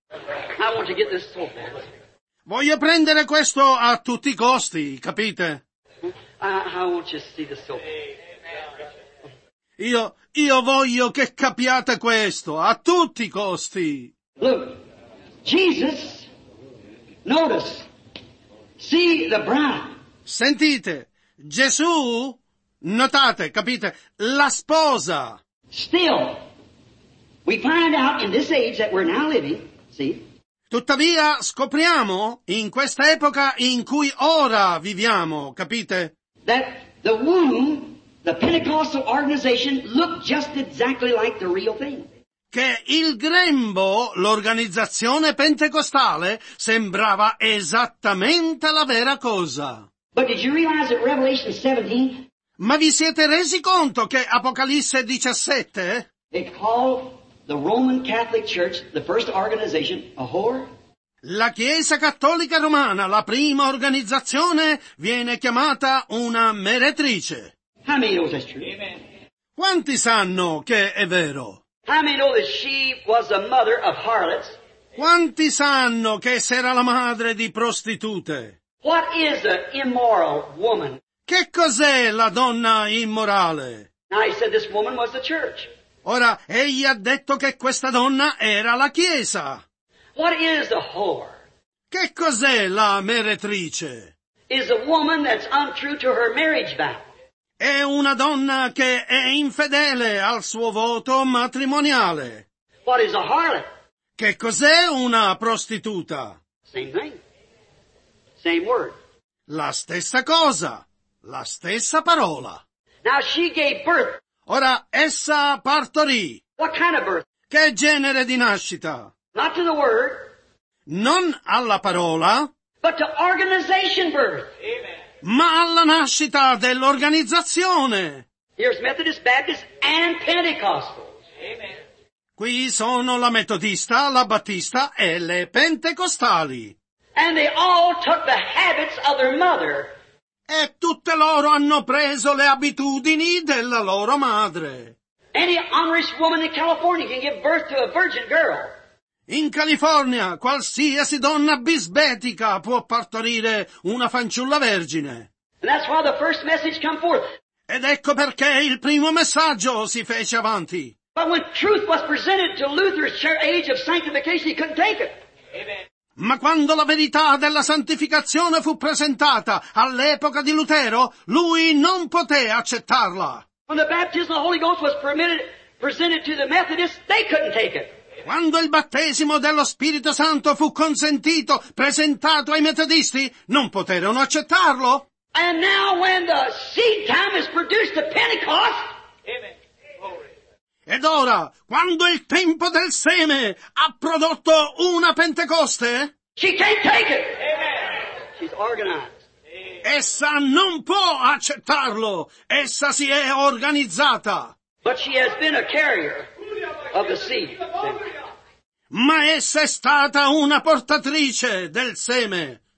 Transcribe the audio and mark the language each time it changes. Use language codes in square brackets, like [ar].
[en] I want to get this so fast. [it] Voglio prendere questo a tutti i costi, capite? [en] I want you to see this so fast. [it] Io voglio che capiate questo a tutti i costi. [en] Look, Jesus, notice, see the bride. [it] Sentite, Gesù, notate, capite, la sposa. [en] Still, we find out in this age that we're now living, see? [it] Tuttavia, scopriamo in questa epoca in cui ora viviamo, capite? [en] That the womb. The Pentecostal organization looked just exactly like the real thing. [it] Che il grembo, l'organizzazione pentecostale, sembrava esattamente la vera cosa. [en] But did you realize that Revelation 17? [it] Ma vi siete resi conto che Apocalisse 17? [en] It called the Roman Catholic Church, the first organization, a whore? [it] La Chiesa Cattolica Romana, la prima organizzazione, viene chiamata una meretrice. [en] How many knows that's true? [it] Quanti sanno che è vero? [en] How many know that she was the mother of harlots? [it] Quanti sanno che era la madre di prostitute? [en] What is an immoral woman? [it] Che cos'è la donna immorale? [en] Now he said this woman was the church. [it] Ora egli ha detto che questa donna era la chiesa. [en] What is a whore? [it] Che cos'è la meretrice? [en] Is a woman that's untrue to her marriage vow. [it] È una donna che è infedele al suo voto matrimoniale. [en] What is a harlot? [it] Che cos'è una prostituta? [en] Same thing. Same word. [it] La stessa cosa. La stessa parola. [en] Now she gave birth. [it] Ora essa partorì. [en] What kind of birth? [it] Che genere di nascita? [en] Not to the word. [it] Non alla parola. [en] But to organization birth. Amen. [it] Ma alla nascita dell'organizzazione. [en] Here's Methodist, Baptist and Pentecostals. Amen. [it] Qui sono la metodista, la battista e le pentecostali. [en] And they all took the habits of their mother. [it] E tutte loro hanno preso le abitudini della loro madre. [en] Any honorish woman in California can give birth to a virgin girl. [it] In California, qualsiasi donna bisbetica può partorire una fanciulla vergine. [en] And that's why the first message come forth. [it] Ed ecco perché il primo messaggio si fece avanti. [en] But when truth was presented to Luther's age of sanctification, he couldn't take it. Amen. [it] Ma quando la verità della santificazione fu presentata all'epoca di Lutero, lui non poté accettarla. [en] When the baptism of the Holy Ghost was presented to the Methodists, they couldn't take it. [it] Quando il battesimo dello Spirito Santo fu consentito, presentato ai metodisti, non poterono accettarlo. [en] And now when the seed time is produced at Pentecost. Amen. [it] Ed ora, quando il tempo del seme ha prodotto una Pentecoste. [en] She can't take it. Amen. She's organized. Amen. [it] essa non può accettarlo. Essa si è organizzata. [en] But she has been a carrier of the seed. [it] Ma essa è stata una portatrice del seme.